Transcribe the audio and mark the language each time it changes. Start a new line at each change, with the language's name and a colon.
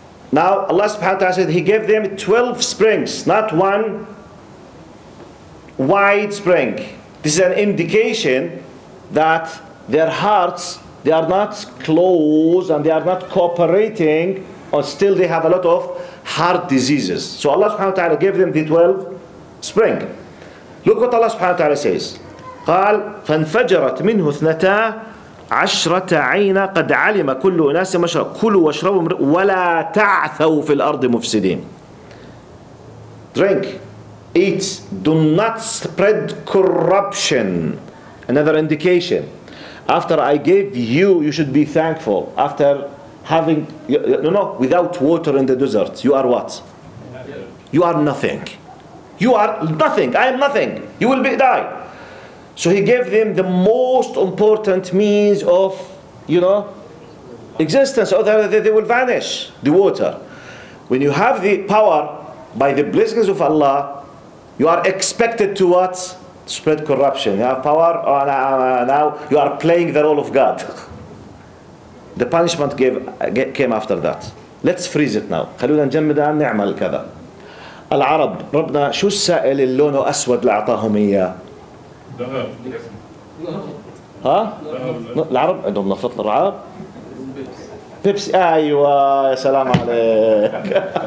English: Now, Allah subhanahu wa ta'ala said He gave them 12 springs, not one wide spring. This is an indication that their hearts, they are not closed and they are not cooperating, or still they have a lot of heart diseases. So Allah subhanahu wa ta'ala gave them the 12 spring. Look what Allah subhanahu wa ta'ala says.
Arabic: قال فانفجرت منه اثنتا عشرة عينا قد علم كل أناس مشرب كلوا واشربوا ولا تعثوا في الأرض مفسدين.
English: Drink, eat, do not spread corruption. Another indication. After I gave you, you should be thankful. After having, no, without water in the desert, you are what? You are nothing. You are nothing. I am nothing. You will be die. So he gave them the most important means of, you know, existence. Otherwise, they will vanish, the water. When you have the power by the blessings of Allah, you are expected to what? Spread corruption. You have power, now you are playing the role of God. The punishment came after that. Let's freeze it now.
Arabic: خلونا نجمد عن نعمل كذا. العرب ربنا شو السائل اللونه أسود اللي أعطاهم إياه؟ ذهب. ها؟ العرب عندهم نفط العرب. بيبسي. أيوة يا سلام عليك.